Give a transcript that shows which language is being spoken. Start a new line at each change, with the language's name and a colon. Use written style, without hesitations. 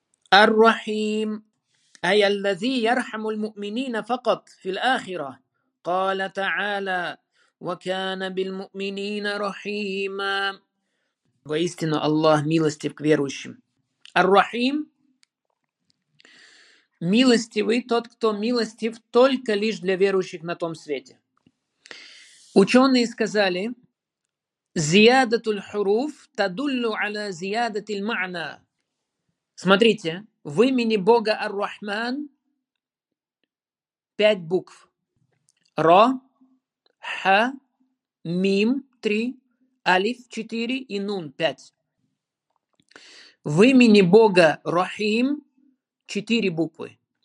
Arabic: Ар-Рахим, ай аллази ярхаму аль-му'минина факат фил-ахира, каля та'аля, وَكَانَ بِالْمُؤْمِنِينَ رَحِيمًا.
Russian: Воистину, Аллах милостив к верующим. Ар-Рахим. Милостивый тот, кто милостив только лишь для верующих на том свете. Ученые сказали,
Arabic: زِيَادَةُ الْحُرُوفِ تَدُلُّ عَلَى زِيَادَةِ الْمَعْنَى.
Russian: Смотрите, в имени Бога Ар-Рахман 5 букв. Ра, Ха, Мим 3, Алиф 4 и Нун 5. В имени Бога Рахим 4 буквы.